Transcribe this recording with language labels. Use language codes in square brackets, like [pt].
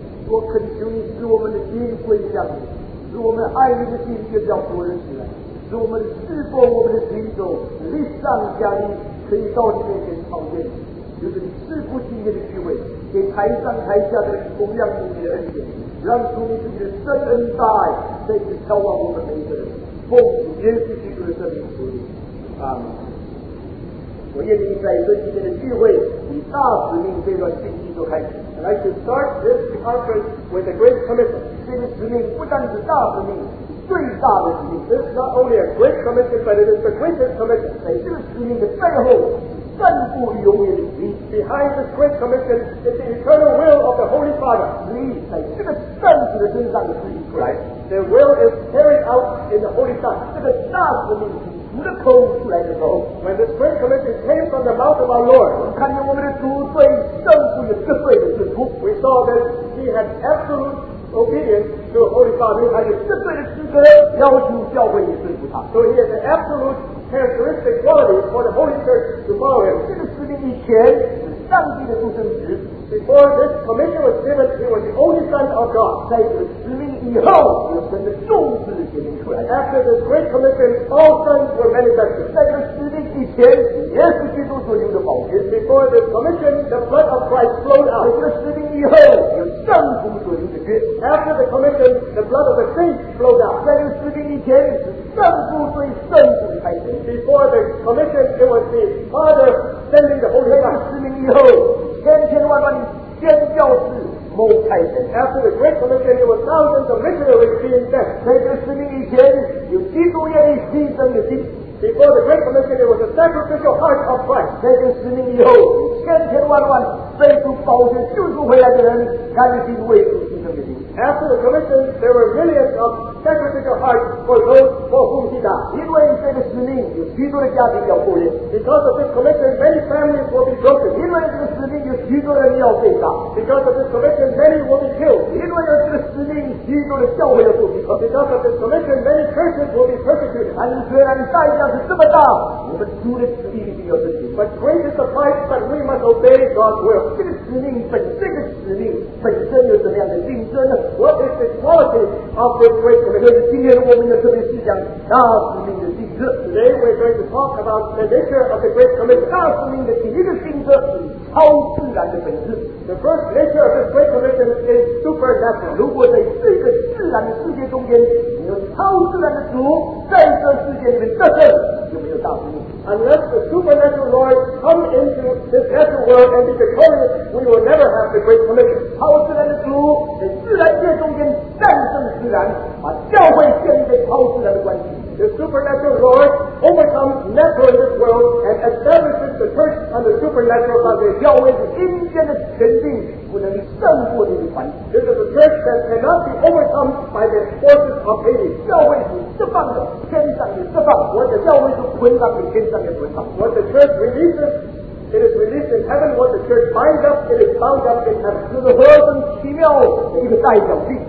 [zh] 我恳求你使我们的心归向你。使我们爱你的心越叫多人起来，使我们侍奉我们的行走立上加力，可以到你面前朝见，就是你赐福今天的机会，给台上台下的同样是你的恩典，让主你自己的深恩大爱再次浇灌我们每一个人，奉主耶稣基督的圣名求你，阿门。我愿意在这今天的聚会，以大使命这段信息做开始。 [en] I'd like to start this conference with a great commitment. [zh] 这个使命不单是大使命，最大的使命。 [en] This is not only a great commitment, but it is the greatest commitment. [zh] 在这个使命的背后，散布永远的福音。 [en] Behind this great commitment is the eternal will of the Holy Father. [zh] 福音在这个圣子的身上的福音。 [en] Right. The will is carried out in the Holy Son. [zh] 这个大使命。的口出来的时候 [en] When this great commission came from the mouth of our Lord, [zh] 我们看见我们的主对圣父有绝对的顺服 [en] We saw that he had absolute obedience to the Holy Father, [zh] 他有绝对的资格要求教会也顺服他 [en] So he has an absolute characteristic quality for the Holy Church to follow him. [zh] 这个使命以前是上帝的独生子 [en] Before this commission was given, he was the only Son of God. [zh] 在这个使命以后有神的众子的显明出来 [en] After this great commission, all sons were manifested. [zh] 在这个使命以前耶稣基督所流的宝血 [en] Before this commission, the blood of Christ flowed out. [zh] 在这个使命以后有圣父所流的血 [en] After the commission, the blood of the saints flowed out. [zh] 在这个使命以前圣父对圣子的开恩 [en] Before the commission, it was the Father sending the Holy Spirit. [zh] 在这个使命以后千千万万宣教士谋开恩 [en] After the great commission, there were thousands of missionaries being sent. [zh] 在这个使命以前有基督愿意牺牲的心 [en] Before the great commission, there was a sacrificial heart of Christ. [zh] 在这个使命以后千千万万飞出宝血救赎回来的人开始敬畏主牺牲的心 [en] After the commission, there were millions of sacrificial hearts for those for whom he died. [zh] 因为这个使命有许多的家庭要破裂 [en] Because of this commission, many families will be broken. [zh] 因为这个使命有许多人要被杀 [en] Because of this commission, many will be killed. [zh] 因为这个使命许多的教会要破裂 [en] Because of this commission, many churches will be persecuted. [zh] 但虽然代价是这么大我们主的旨意一定要执行 [en] But great is the price, but we must obey God's will. [zh] 这个使命本身的使命本身有什么样的竞争呢 [en] What is the quality of this great commission? [zh] 今天我们要特别思想大使命的性质 [en] Today we're going to talk about the nature of the Great Commission [zh] 大使命的第一个性质是超自然的本质 [en] The first nature of the Great Commission is supernatural [zh] 如果在这个自然的世界中间你有超自然的主在这世界里面得胜就没有大使命 [en] Unless the supernatural Lord come into this natural world and be victorious we will never have the Great Commission [zh] 超自然的主在自然界中间战胜自然把教会建立在超自然的关系。 [en] The supernatural Lord overcomes natural in this world and establishes the church on the supernatural foundation. [zh] 教会是阴间的权柄不能胜过这个环境。 [en] This is a church that cannot be overcome by the forces of Hades. [zh] 教会是释放的，天上也释放；或者教会是捆绑的，天上也捆绑。 [en] What the church releases, it is released in heaven. What the church binds up, it is bound up in heaven. [zh] 这是何等奇妙的一个代表性。